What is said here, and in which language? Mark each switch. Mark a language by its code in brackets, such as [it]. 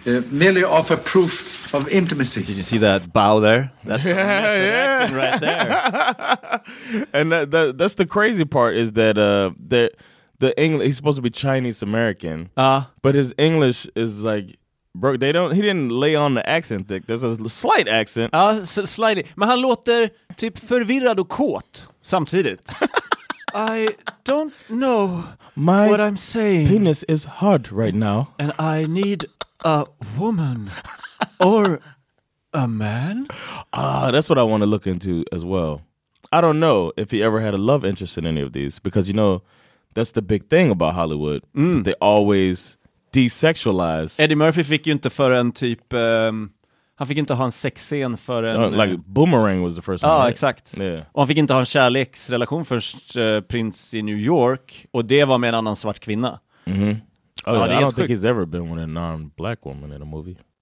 [en] Merely offer proof of intimacy. Did you see that bow there? That's right there. And that's the crazy part is that the English, he's supposed to be Chinese American, but his English is like broke. He didn't lay on the accent thick. There's a slight accent. Slightly. [sv] Men han låter typ förvirrad och kåt samtidigt. [en] I don't know my what I'm saying. Penis is hard right now. And I need a woman or a man? That's what I want to look into as well. I don't know if he ever had a love interest in any of these, because, you know, that's the big thing about Hollywood. Mm. They always desexualize. [sv] Eddie Murphy fick ju inte förrän typ... han fick inte ha en sexscen förrän... [en] Like Boomerang was the first one. [sv] Ja, [en] right? [sv] Exakt. [en] Yeah. [sv] Och han fick inte ha en kärleksrelation först, prins i New York. Och det var med en annan svart kvinna. Mm-hmm. [en] Oh, yeah. I don't think he's ever been with a non-black woman in a movie.